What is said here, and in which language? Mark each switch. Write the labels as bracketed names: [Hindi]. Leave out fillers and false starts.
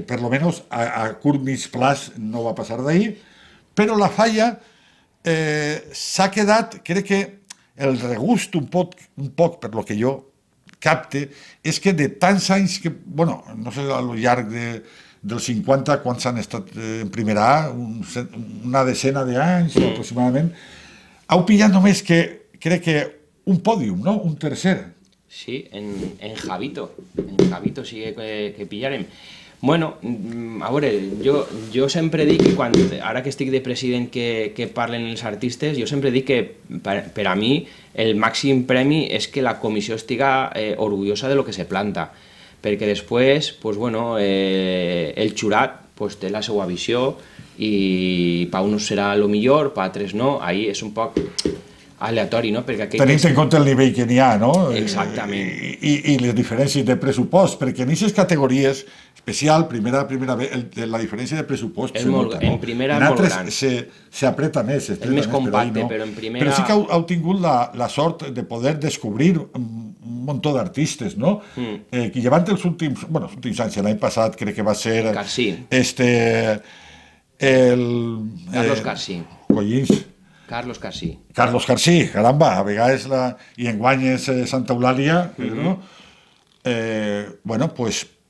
[Catalan] Per lo menos a curt mig plaç no va passar d'ahí, però la falla s'ha quedat, crec que el regust un poc per lo que jo capte, és que de tants anys que, bueno, no sé al llarg del 50 quants han estat en primera A, una decena d'anys aproximadament, heu pillat només que crec que un pòdium, no? Un tercer. Sí, en Javito. En Javito sí que pillarem. Bueno, a veure, jo sempre dic que quan, ara que estic de president que parlen els artistes, jo sempre dic que per a mi el màxim premi és que la comissió estiga orgullosa de lo que se planta, perquè després, pues bueno, el jurat pues té la seva visió i pa uns serà lo millor, pa altres no, ahí és un poc aleatori, no? Perquè aquell... Tenint en compte el nivell que n'hi ha, no? Exactament. I les diferències de pressupost, perquè en aquestes categories, especial, primera B, la diferència de pressupost... En primera és molt gran. En altres s'apreta més. És més compacte, però en primera... Però sí que heu tingut la sort de poder descobrir [Spanish] montón de artistas, ¿no? Que llevan los últimos, bueno, los últimos años, el año pasado creo que va a ser... Carcín. Este... Carlos Carcín. Collins. Carlos Carcín. Carlos Carcín, caramba, [Catalan] a vegades la... [Spanish] Y en Guañes Santa Eulalia, ¿no? Bueno, pues...